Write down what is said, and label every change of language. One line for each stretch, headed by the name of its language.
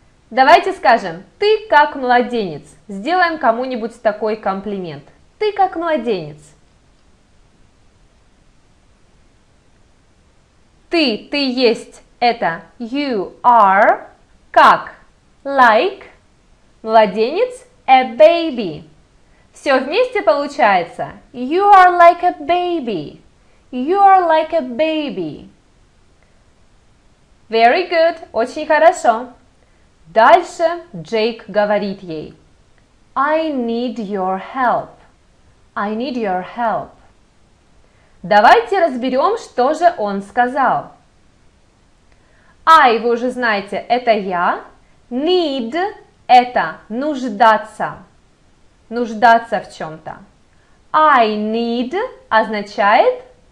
Russian: Давайте скажем ты как младенец. Сделаем кому-нибудь такой комплимент. Ты как младенец. Ты есть, это
English: you are,
Russian: как, like, младенец, a baby. Все вместе получается,
English: you are like a baby, you are like a baby. Very good,
Russian: очень хорошо. Дальше Джейк говорит ей,
English: I need your help, I need your help.
Russian: Давайте разберем, что же он сказал. I, вы уже знаете, это я. Need – это нуждаться. Нуждаться в чем-то.
English: I need
Russian: означает...